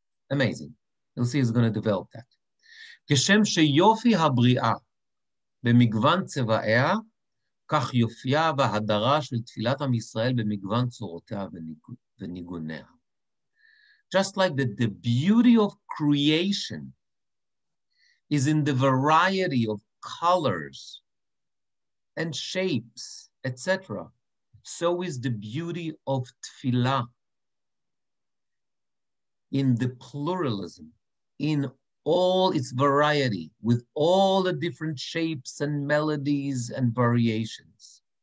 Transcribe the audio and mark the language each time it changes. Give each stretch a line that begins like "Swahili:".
English: Amazing. You'll see he's going to develop that.
Hebrew: כשם שיופי הבריאה במגוון צבעיה, כך יופיה והדרה של תפילת עם ישראל במגוון צורותיה וניגוניה.
English: Just like that, the beauty of creation is in the variety of colors and shapes, etc. So is the beauty of tefillah in the pluralism, in all its variety, with all the different shapes and melodies and variations.